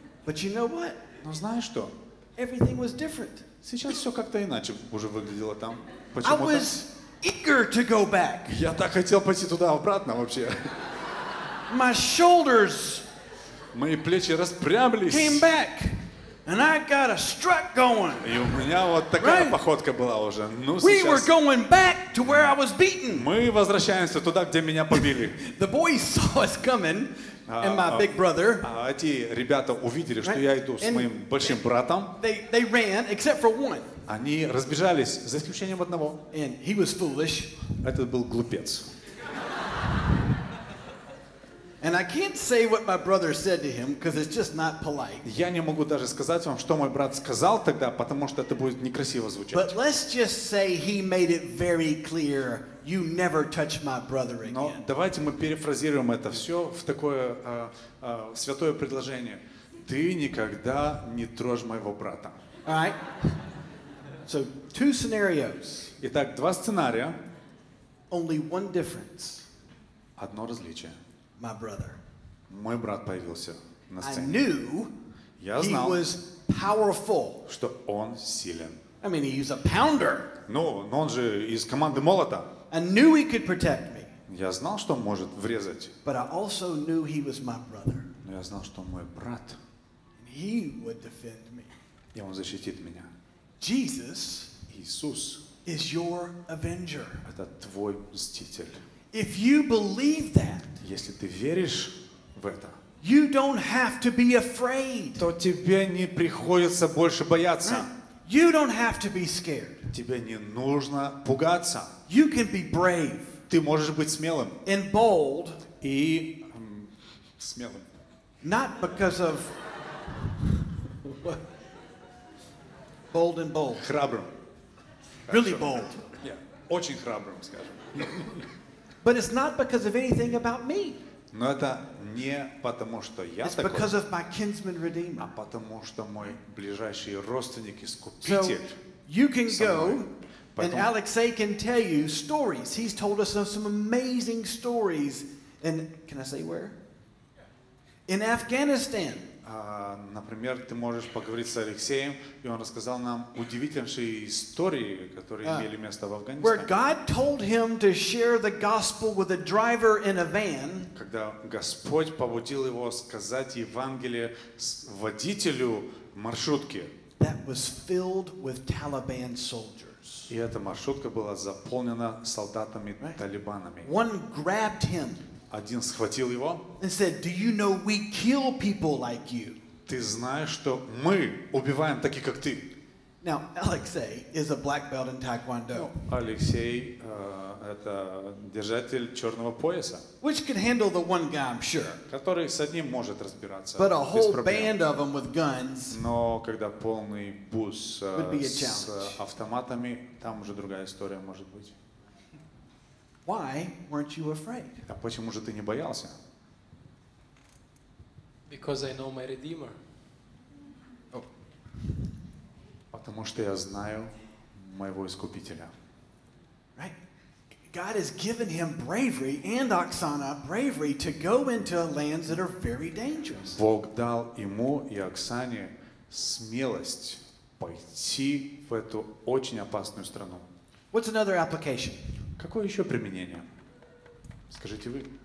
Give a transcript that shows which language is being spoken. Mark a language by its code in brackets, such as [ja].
[en] But you know what? [ru] Но знаешь что? [en] Everything was different. [ru] Сейчас все как-то иначе уже выглядело там. Почему-то. [en] I was eager to go back. [ru] Я так хотел пойти туда обратно вообще. [en] My shoulders. [ru] Мои плечи распрямились. [en] Came back, and I got a strut going. [ru] И у меня вот такая [en] right? [ru] походка была уже. Ну, [en] we were going back to where I was beaten. [ru] Мы возвращаемся туда, где меня побили. [en] The boys saw us coming, and my big brother. [ru] Эти ребята увидели, right? что я иду с [en] and [ru] моим большим братом. [en] They ran, except for one. [ru] Они разбежались, за исключением одного. [en] And he was foolish. [ru] Этот был глупец. [en] And I can't say what my brother said to him because it's just not polite. [ru] Я не могу даже сказать вам, что мой брат сказал тогда, потому что это будет некрасиво звучать. [en] But let's just say he made it very clear, you never touch my brother again. [ru] Но давайте мы перефразируем это все в такое святое предложение. Ты никогда не трожь моего брата. [en] All right. So two scenarios. [ru] Итак, два сценария. [en] Only one difference. [ru] Одно различие. [en] My brother. [ru] Мой брат появился на сцене. [en] I knew [ru] я знал, [en] he was powerful. [ru] Что он силен. [en] I mean, he's a pounder. [ru] Ну, но он же из команды молота. [en] I knew he could protect me. [ru] Я знал, что он может врезать. [en] But I also knew he was my brother. [ru] Но я знал, что он мой брат. [en] And he would defend me. [ru] И он защитит меня. [en] Jesus [ru] Иисус [en] is your avenger. [ru] Это твой мститель. [en] If you believe that, [ru] если ты веришь в это, [en] you don't have to be afraid. [ru] То тебе не приходится больше бояться. [en] You don't have to be scared. [ru] Тебе не нужно пугаться. [en] You can be brave. [ru] Ты можешь быть смелым. [en] And bold. [ru] И смелым. [en] Not because of bold and bold. [ru] Храбрым. [en] Really bold. [ru] Yeah. Очень храбрым, скажем. [en] But it's not because of anything about me. [ru] Но это не потому, что я [en] it's [ru] такой. [en] It's because of my kinsman redeemer. [ru] А потому, что мой ближайший родственник искупитель. [en] So you can go, and Alexei can tell you stories. He's told us some amazing stories. And can I say where? In Afghanistan. [ru] Например, ты можешь поговорить с Алексеем, и он рассказал нам удивительнейшие истории, которые имели место в Афганистане. [en] Where God told him to share the gospel with a driver in a van. [ru] Когда Господь побудил его сказать Евангелие водителю маршрутки. [en] That was filled with Taliban soldiers. [ru] И эта маршрутка была заполнена солдатами талибанами. [en] One grabbed him. [ru] Один схватил его. [en] And said, "Do you know we kill people like you?" [ru] Ты знаешь, что мы убиваем таких, как ты? [en] Now, Alexei is a black belt in Taekwondo. [ru] Алексей это держатель черного пояса. [en] Which can handle the one guy, I'm sure. [ru] Который с одним может разбираться. [en] But a whole band of them with guns. [ru] Но когда полный бус с автоматами, там уже другая история может быть. [en] Why weren't you afraid? [ru] А почему же ты не боялся? [en] Because I know my Redeemer. [ru] Потому что я знаю моего Искупителя. [en] Right? God has given him bravery and Оксана bravery to go into lands that are very dangerous. [ru] Бог дал ему и Оксане смелость пойти в эту очень опасную страну. [en] What's another application? [ru] Какое еще применение? Скажите вы.